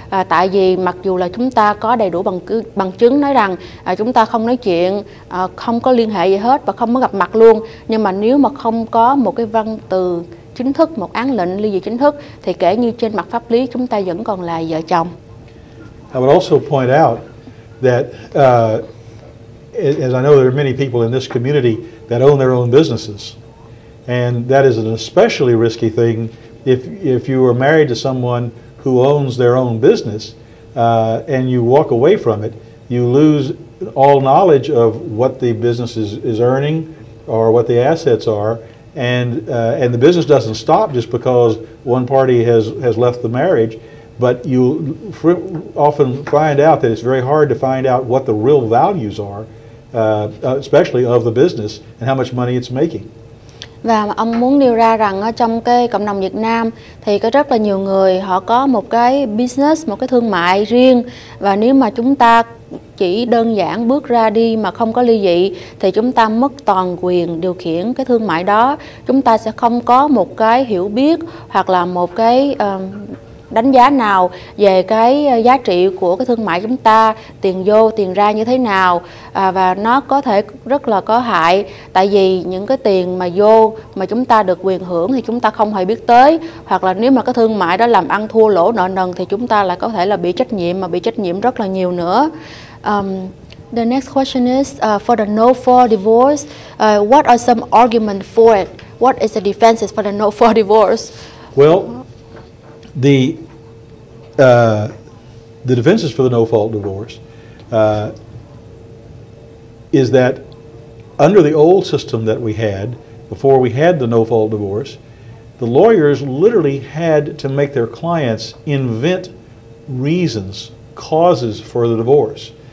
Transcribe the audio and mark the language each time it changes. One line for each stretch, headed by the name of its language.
Vietnamese: Tại vì mặc dù là chúng ta có đầy đủ bằng chứng nói rằng chúng ta không nói chuyện, không có liên hệ gì hết và không có gặp mặt luôn, nhưng mà nếu mà không có một cái văn từ chính thức, một án lệnh ly dị chính thức, thì kể như trên mặt pháp lý chúng ta vẫn còn là vợ chồng.
English: I would also point out that, as I know there are many people in this community that own their own businesses, and that is an especially risky thing if you are married to someone who owns their own business, and you walk away from it, you lose all knowledge of what the business is earning or what the assets are, and the business doesn't stop just because one party has left the marriage. But you often find out that it's very hard to find out what the real values are, especially of the business and how much money it's making.
Vietnamese: Và ông muốn nêu ra rằng trong cái cộng đồng Việt Nam thì có rất là nhiều người họ có một cái business, một cái thương mại riêng, và nếu mà chúng ta chỉ đơn giản bước ra đi mà không có ly dị thì chúng ta mất toàn quyền điều khiển cái thương mại đó. Chúng ta sẽ không có một cái hiểu biết hoặc là một cái đánh giá nào về cái giá trị của cái thương mại chúng ta, tiền vô tiền ra như thế nào, và nó có thể rất là có hại. Tại vì những cái tiền mà vô mà chúng ta được quyền hưởng thì chúng ta không hề biết tới, hoặc là nếu mà cái thương mại đó làm ăn thua lỗ nợ nần thì chúng ta lại có thể là bị trách nhiệm, mà bị trách nhiệm rất là nhiều nữa.
English: The next question is, for the no-fault divorce, what are some arguments for it? What is the defenses for the no-fault divorce? Well, the defenses for the no-fault divorce is that under the old system that we had before we had the no-fault divorce, the lawyers literally had to make their clients invent reasons, causes for the divorce.